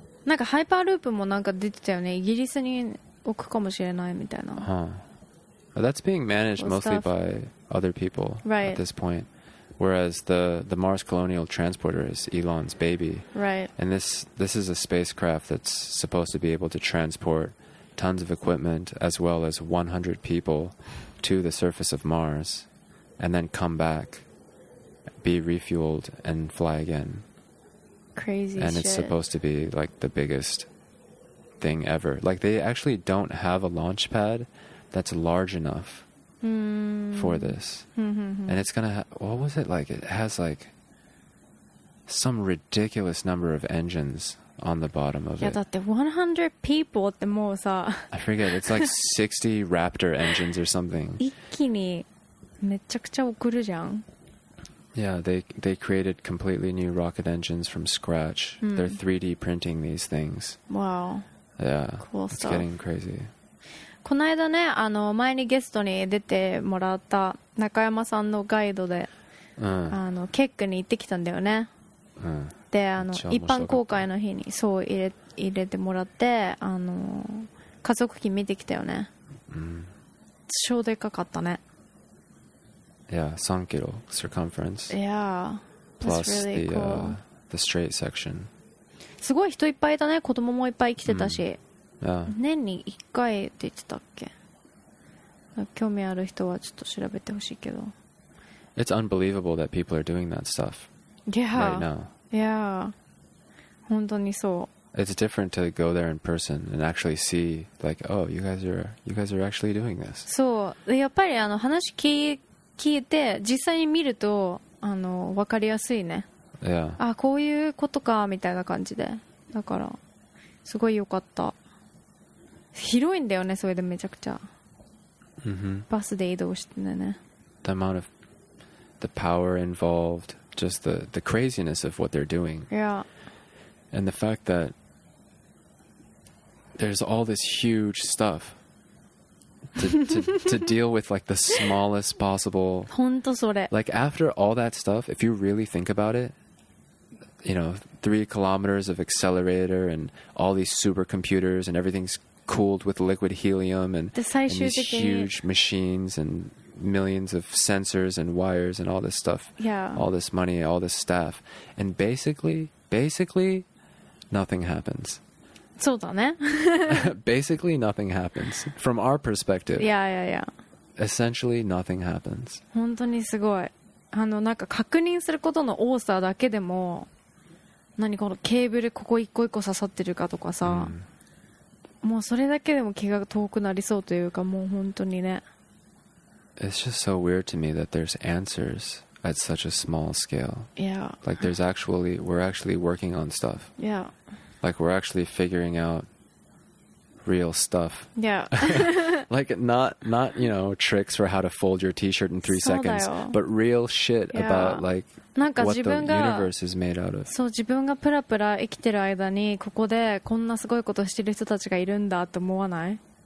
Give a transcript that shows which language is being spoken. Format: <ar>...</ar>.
<ja>なんかハイパーループもなんか出てたよね。イギリスに置くかもしれないみたいな。</ja> <en>Huh. Well, that's being managed mostly by other people right. at this point. Whereas the Mars Colonial Transporter is Elon's baby. Right. And this is a spacecraft that's supposed to be able to transport tons of equipment as well as 100 people to the surface of Mars and then come back, be refueled, and fly again. Crazy and shit. And it's supposed to be like the biggest thing ever. Like they actually don't have a launch pad that's large enough for this. And it's going to what was it like? It has like some ridiculous number of engines on the bottom of it. Yeah,</en> <ja>だって</ja> <en>100 people</en> <ja>ってもうさ</ja> <en>I forget. It's like 60 Raptor engines or something.</en> <ja>一気にめちゃくちゃ送るじゃん。</ja> <en>Yeah, they created completely new rocket engines from scratch. They're 3D printing these things. Wow. Yeah. Cool stuff. It's getting crazy.</en> <ja>この間ね、あの前にゲストに出てもらった中山さんのガイドで、あのケックに行ってきたんだよね。で、あの一般公開の日にそう入れてもらって、あの加速器見てきたよね。超でかかったね。</ja> <en>Yeah, 3 kilo circumference. Yeah, plus that's really the, cool. The straight section.</en> <ja>すごい人いっぱいいたね。子供もいっぱい来てたし。年に1回って言ってたっけ？興味ある人はちょっと調べてほしいけど。</ja> <en>It's unbelievable that people are doing that stuff. Yeah. Right now. Yeah.</en> <ja>本当にそう。</ja> <en>It's different to go there in person and actually see, like, oh, you guys are actually doing this.</en> <ja>そう。やっぱりあの話聞いて実際に見るとあの分かりやすいね。</ja> <en>Yeah.</en> <ja>あ、こういうことかみたいな感じで。だからすごい良かった。広いんだよね、それでめちゃくちゃ。</ja> <en>Mm-hmm.</en> <ja>バスで移動してんだよね。</ja> <en>The amount of the power involved, just the craziness of what they're doing. Yeah. And the fact that there's all this huge stuff to deal with, like the smallest possible.</en> <ja>本当それ。</ja> <en>Like after all that stuff, if you really think about it. You know, 3 kilometers of accelerator and all these supercomputers and everything's cooled with liquid helium and these huge machines and millions of sensors and wires and all this stuff. Yeah. All this money, all this staff. And basically, nothing happens.</en> <ja>そうだね。</ja> <en>Basically, nothing happens from our perspective. Yeah, yeah, yeah. Essentially, nothing happens.</en> <ja>本当にすごい。あの、なんか確認することの多さだけでも何このケーブルここ一個一個刺さってるかとかさ、もうそれだけでも気が遠くなりそうというか、もう本当にね。</ja> <en>It's just so weird to me that there's answers at such a small scale. Yeah. Like there's actually, we're actually working on stuff. Yeah. Like we're actually figuring out real stuff. Yeah. Like not, you know, tricks for how to fold your t-shirt in 3 seconds, but real shit about like,</en> <ja>なんか自分が、そう、自分がプラプラ生きてる間にここでこんなすごいことしてる人たちがいるんだって思わない？</ja>